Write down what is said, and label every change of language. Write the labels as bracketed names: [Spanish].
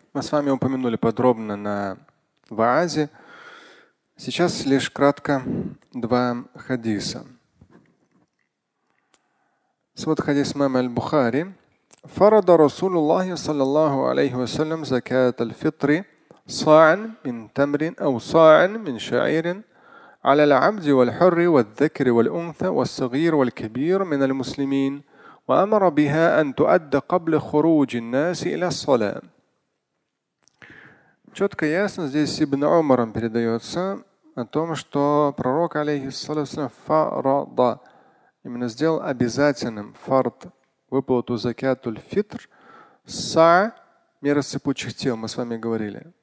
[Russian] Мы с вами упомянули подробно на ваазе. Сейчас лишь кратко два хадиса. Вот хадис имама аль-Бухари. [Arabic] فرض رسول الله صلى الله عليه وسلم زكاة الفطر صاعا من تمر أو صاعا من شعير على العبد والحر والذكر والأنثى والصغير والكبير من المسلمين وأمر بها أن تؤدى قبل خروج الناس إلى الصلاة. [Russian] Четко ясно здесь Ибн Умаром передается о том, что Пророк алейхиссалям фарада, именно сделал обязательным фард, выплату закятуль фитр са меры сыпучих тел. Мы с вами говорили.